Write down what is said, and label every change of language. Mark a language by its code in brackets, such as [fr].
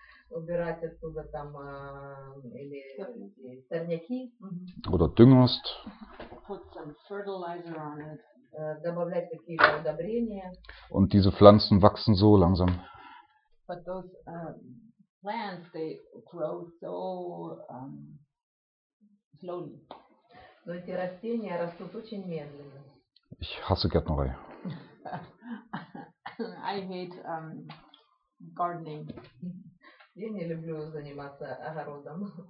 [ru] Убирать оттуда там или сорняки. [de] Oder düngerst. [en] Put some fertilizer on it. [ru] Добавлять какие-то удобрения. [de] Und diese Pflanzen wachsen so langsam. [en] But those plants, they grow so slowly. [ru] Но эти растения растут очень медленно. [de] Ich hasse Gärtnerei. [en] I hate gardening. [ru] Я не люблю заниматься огородом.